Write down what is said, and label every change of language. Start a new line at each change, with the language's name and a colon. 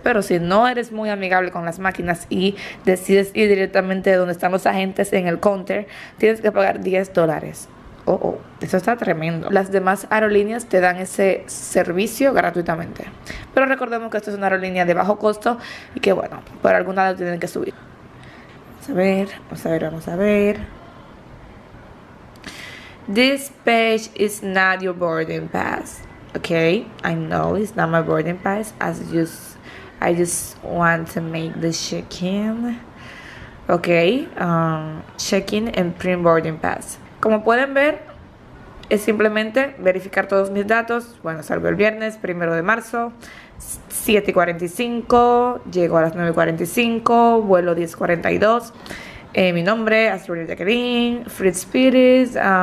Spanish: Pero si no eres muy amigable con las máquinas y decides ir directamente donde están los agentes en el counter, tienes que pagar $10. Oh, oh, eso está tremendo. Las demás aerolíneas te dan ese servicio gratuitamente, pero recordemos que esto es una aerolínea de bajo costo y que, bueno, por algún lado tienen que subir. Vamos a ver.
English: This page is not your boarding pass. Okay, I know it's not my boarding pass. I just want to make the check-in. Okay, check-in and print boarding pass.
Spanish: Como pueden ver, es simplemente verificar todos mis datos. Bueno, salgo el viernes, 1 de marzo, 7:45, llego a las 9:45, vuelo 10:42. Mi nombre, Astrid Jacqueline, Fritz Spirit.